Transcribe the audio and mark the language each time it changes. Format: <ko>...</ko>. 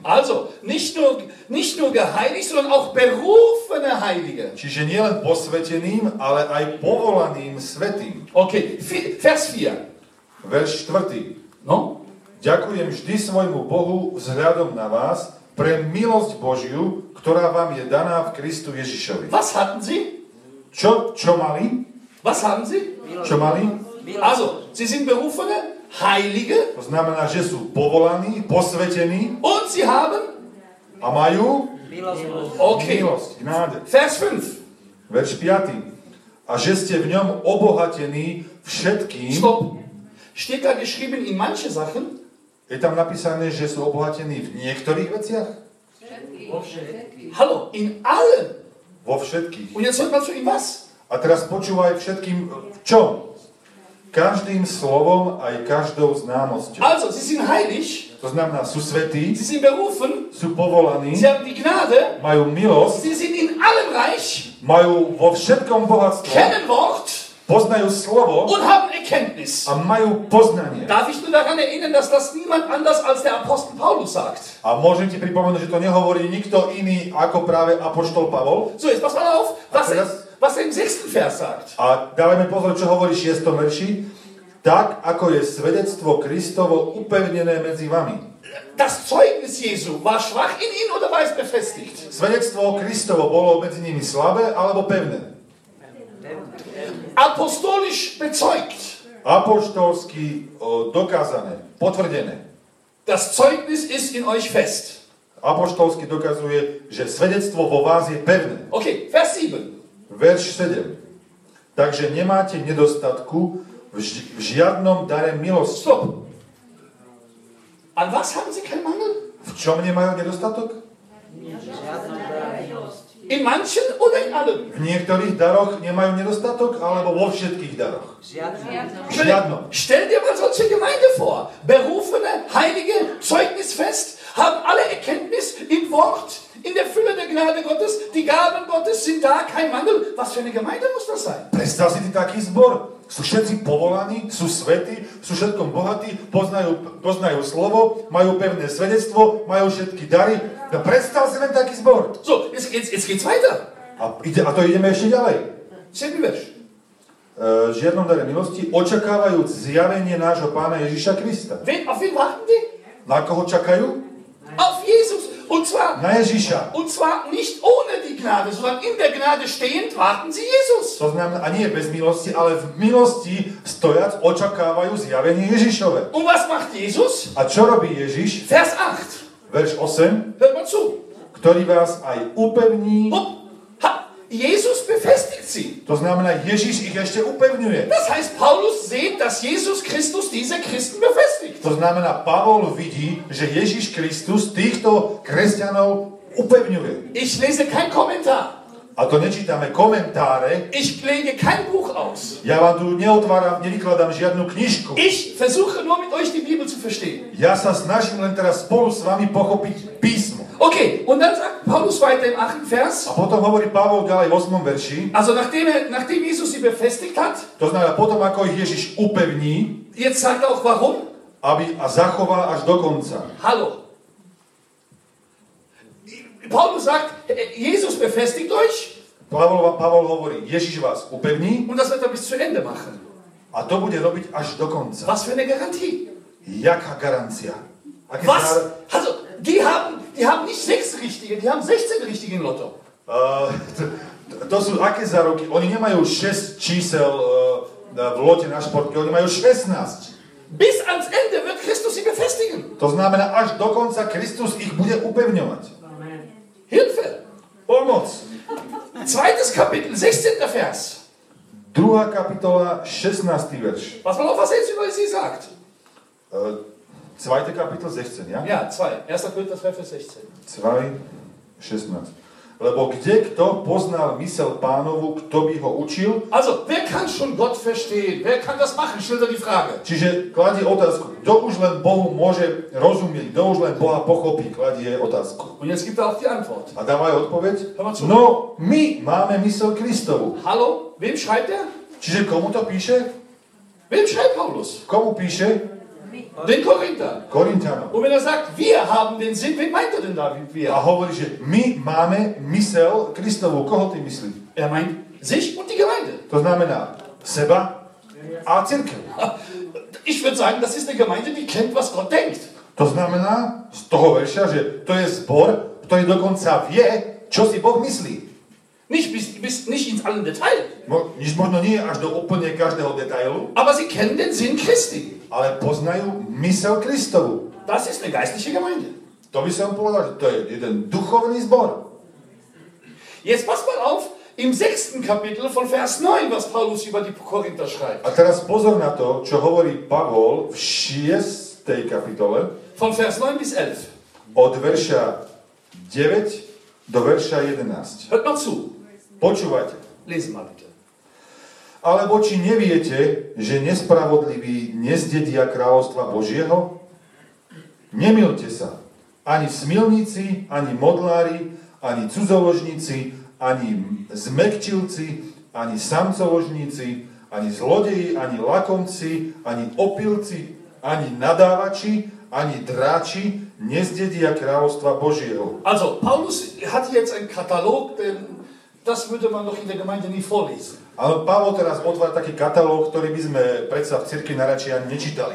<de>Also, nicht nur geheiligt, sondern auch berufene Heilige.</de> <sk>Čiže nielen posveteným, ale aj povolaným svätým.</sk> <de>OK, Vers 4.</de> <sk>Verš 4. No? Ďakujem vždy svojmu Bohu vzhľadom na vás pre milosť Božiu, ktorá vám je daná v Kristu Ježišovi.</sk> <de>Was hatten Sie?</de> <sk>Čo mali?</sk> <de>Was haben Sie?</de> <sk>Čo mali?</sk> <de>Also, Sie sind berufene? Heilige.</de> <sk>To znamená, že sú povolaní, posvetení.</sk> <de>Und sie haben?</de> <sk>A majú? Milosť.</sk> <de>OK. Gnade. Vers 5.</de> <sk>Verš 5. A že ste v ňom obohatení všetkým.</sk> <de>Stop. Steht da geschrieben in manche Sachen?</de> <sk>Je tam napísané, že sú obohatení v niektorých veciach? Všetkých. Vo všetkých.</sk> <de>Hallo, in allen.</de> <sk>Vo všetkých.</sk> <de>Und jetzt hört mal zu in was?</de> <sk>A teraz počúvaj všetkým v čom? Každým slovom aj každou známosťou.</sk> <de>Also, sie sind heilig.</de> <sk>To znamená, sú svätí.</sk> <de>Sie sind berufen.</de> <sk>Sú povolaní.</sk> <de>Sie haben die Gnade.</de> <sk>Majú milosť.</sk> <de>Sie sind in allem reich.</de> <sk>Majú vo všetkom bohatstvo.</sk> <de>Kennen Wort.</de> <sk>Poznajú slovo.</sk> <de>Und haben Erkenntnis.</de> <sk>A majú poznanie.</sk> <de>Darf ich nur daran erinnern, dass das niemand anders als der Apostel Paulus sagt?</de> <sk>A môžem ti pripomenúť, že to nehovorí nikto iný ako práve apoštol Pavol?</sk> <de>So, jetzt pass mal auf, was er im 6. Vers sagt.</de> <sk>A dávajme pozor, čo hovorí 6. verši. Tak, ako je svedectvo Kristovo upevnené medzi vami.</sk> <de>Das Zeugnis Jesu war schwach in ihnen oder war es befestigt?</de> <sk>Svedectvo Kristovo bolo medzi nimi slabé alebo pevné?</sk> <de>Apostolisch bezeugt.</de> <sk>Apoštolsky dokázané, potvrdené.</sk> <de>Das Zeugnis ist in euch fest.</de> <sk>Apoštolsky dokazuje, že svedectvo vo vás je pevné.</sk> <de>Ok, vers 7.</de> <sk>Verš 7. Takže nemáte nedostatku v žiadnom dare milosti.</sk> <de>Stop. An was haben Sie keinen Mangel?</de> <sk>V čom nemajú nedostatok?</sk> <de>In manchen oder in allem?</de> <sk>V niektorých daroch nemajú nedostatok, alebo vo všetkých daroch? Žiadno.</sk> <de>Stell dir mal solche Gemeinde vor. Berufene, heilige, zeugnisfest, haben alle Erkenntnis im Wort, in der Fülle der Gnade Gottes, die Gaben Gottes sind da, kein Mangel. Was für eine Gemeinde muss das sein?</de> <sk>Predstav si ty taký zbor. Sú všetci povolaní, sú svätí, sú všetkom bohatí, poznajú slovo, majú pevné svedectvo, majú všetky dary. No predstav si len taký zbor.</sk> <de>So, jetzt geht's weiter.</de> <sk>A to ideme ešte ďalej. Siedmy verš. Žiadnom dare milosti, očakávajúc zjavenie nášho Pána Ježiša Krista.</sk> <de>Auf wen warten die?</de> <sk>Na koho čakajú?</sk> <de>Auf Jesus. Und zwar,</de> <sk>na Ježiša.</sk> <de>Und zwar nicht ohne die Gnade, sondern in der Gnade stehend warten sie Jesus.</de> <sk>To znamená, a nie bez milosti, ale v milosti stojac očakávajú zjavenie Ježišove.</sk> <de>Und was macht Jesus?</de> <sk>A čo robí Ježiš?</sk> <de>Vers 8.</de> <sk>Verš 8.</sk> <de>Hört mal zu.</de> <sk>Ktorý vás aj upevní.</sk> <de>Jesus befestigt sie.</de> <sk>To znamená, Ježiš ich ešte upevňuje.</sk> <de>Das heißt, Paulus sieht, dass Jesus Christus diese Christen befestigt.</de> <sk>To znamená, Pavol vidí, že Ježiš Kristus týchto kresťanov upevňuje.</sk> <de>Ich lese kein Kommentar.</de> <sk>A to nečítame komentáre.</sk> <de>Ich lege kein Buch aus.</de> <sk>Ja vám tu neotváram, nevykladám žiadnu knižku.</sk> <de>Ich versuche nur mit euch die Bibel zu verstehen.</de> <sk>Ja sa snažím len teraz spolu s vami pochopiť písmo.</sk> <de>Okay, und dann sagt Paulus weiter im 8. Vers.</de> <sk>A potom hovorí Pavol ďalej v 8. verši.</sk> <de>Also nachdem Jesus sie befestigt hat.</de> <sk>To znamená, potom ako ich Ježiš upevní.</sk> <de>Jetzt sagt auch warum.</de> <sk>Aby a zachová až do konca.</sk> <de>Hallo. Paulus sagt, Jesus befestigt euch.</de> <sk>Pavol hovorí, Ježiš vás upevní.</sk> <de>Und das wird er bis zu Ende machen.</de> <sk>A to bude robiť až do konca.</sk> <de>Was für eine Garantie?</de> <sk>Jaká garancia? Aké</sk> <de>was? Also, die haben nicht 6 richtige, die haben 16 richtige in Lotto.</de> <sk>To sú aké záruky? Oni nemajú 6 čísel v lote na športke, oni majú 16.</sk> <de>Bis ans Ende wird Christus sie befestigen.</de> <sk>To znamená, až do konca Kristus ich bude upevňovať.</sk> <de>Hilfe!</de> <sk>Pomoc!</sk> <de>Zweites Kapitel, 16. Vers.</de> <sk>Druhá kapitola, 16. Verš.</sk> <de>Pass mal auf, was jetzt über sie sagt. Zweite Kapitel, 16, ja? Ja, 2. 1. Korinther 2, Vers 16.</de> <sk>2, 16. Lebo kde kto poznal mysel Pánovu, kto by ho učil?</sk> <de>Also, wer kann schon Gott verstehen? Wer kann das machen? Schilder die Frage.</de> <sk>Čiže kladie otázku. Kto už len Bohu môže rozumieť? Kto už len Boha pochopí? Kladie otázku.</sk> <de>Und jetzt gibt er auch die Antwort.</de> <sk>A dávaj odpoveď.</sk> <de>Hör</de> <sk>no, my máme mysel Kristovu.</sk> <de>Hallo, wem schreibt er?</de> <sk>Čiže komu to píše?</sk> <de>Wem schreibt Paulus?</de> <sk>Komu píše?</sk> <de>Den Korinther.</de> <sk>Korinthianom.</sk> <de>Und wenn er sagt, wir haben den Sinn, wen meint er denn da, wir?</de> <sk>A hovorí, že my máme mysel Kristovu. Koho ty myslí?</sk> <de>Er meint sich und die Gemeinde.</de> <sk>To znamená seba a cirkev.</sk> <de>Ich würde sagen, das ist eine Gemeinde, die kennt, was Gott denkt.</de> <sk>To znamená z toho verša, že to je zbor, ktorý dokonca vie, čo si Boh myslí.</sk> <de>Nicht ins allen Detail.</de> <sk>Možno nie až do úplne každého detailu.</sk> <de>Aber sie kennen den Sinn Christi.</de> <sk>Ale poznajú mysel Kristovu.</sk> <de>Das ist eine geistliche Gemeinde.</de> <sk>To by som povedal, že to je jeden duchovný zbor.</sk> <de>Jetzt pass mal auf, im 6. Kapitel von Vers 9, was Paulus über die Korinther schreibt.</de> <sk>A teraz pozor na to, čo hovorí Pavol v 6. kapitole.</sk> <de>Von Vers 9 bis 11.</de> <sk>Od verša 9 do verša 11.</sk> <de>Hört mal zu.</de> <sk>Počúvajte.</sk> <de>Lesen mal bitte.</de> <sk>Alebo či neviete, že nespravodliví nezdedia kráľovstva Božieho? Nemýlte sa. Ani smilníci, ani modlári, ani cudzoložníci, ani zmekčilci, ani samcoložníci, ani zlodeji, ani lakomci, ani opilci, ani nadávači, ani dráči nezdedia kráľovstva Božieho.</sk> <de>Also, Paulus hat jetzt einen Katalog, denn das würde man doch in der Gemeinde nie vorlesen.</de> <sk>Ale Pavol teraz otvára taký katalóg, ktorý by sme predsa v cirkvi najradšej ani nečítali.</sk>